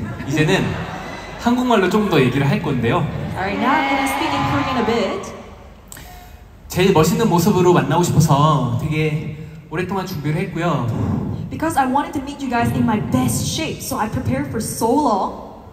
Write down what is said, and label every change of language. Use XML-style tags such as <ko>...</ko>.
<ko>이제는 한국말로 좀 더 얘기를 할 건데요.</ko> <en>Alright, now I'm gonna speak in Korean a bit.</en> <ko>제일 멋있는 모습으로 만나고 싶어서 되게 오랫동안 준비를 했고요.</ko> <en>Because I wanted to meet you guys in my best shape, so I prepared for so long.</en>